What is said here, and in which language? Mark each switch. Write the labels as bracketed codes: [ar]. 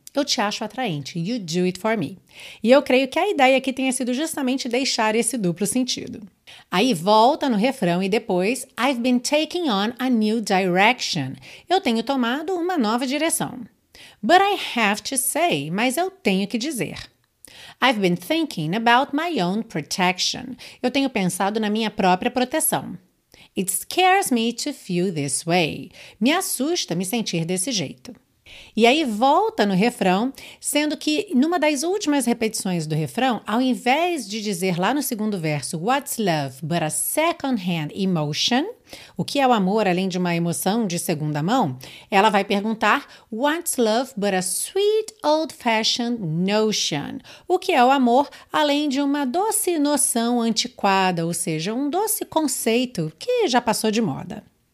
[pt] Eu te acho atraente. [en] You do it for me. [pt] E eu creio que a ideia aqui tenha sido justamente deixar esse duplo sentido. Aí volta no refrão e depois, [en] I've been taking on a new direction. [pt] Eu tenho tomado uma nova direção. [en] But I have to say, [pt] mas eu tenho que dizer. [en] I've been thinking about my own protection. [pt] Eu tenho pensado na minha própria proteção. [en] It scares me to feel this way. [pt] Me assusta me sentir desse jeito. E aí volta no refrão, sendo que numa das últimas repetições do refrão, ao invés de dizer lá no segundo verso, [en] what's love but a second-hand emotion, [pt] o que é o amor além de uma emoção de segunda mão, ela vai perguntar, [en] what's love but a sweet old-fashioned notion, [pt] o que é o amor além de uma doce noção antiquada, ou seja, um doce conceito que já passou de moda.